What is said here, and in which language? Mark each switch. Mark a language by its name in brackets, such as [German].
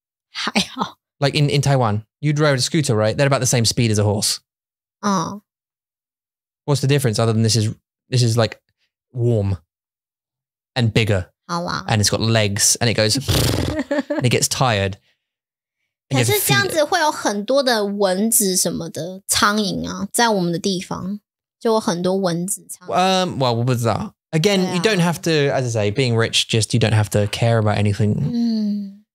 [Chinese] 还好。 [English] Like in Taiwan, you drive a scooter, right? They're about the same speed as a horse. [Chinese] 嗯。 [English] What's the difference other than this is like warm and bigger. [Chinese] 好啦。 [English] And it's got legs and it goes and it gets tired. [Chinese] 可是这样子会有很多的蚊子什么的苍蝇啊，在我们的地方。就有很多蚊子 [English] Well, what was that? Again, you don't have to, as I say, being rich, just you don't have to care about anything.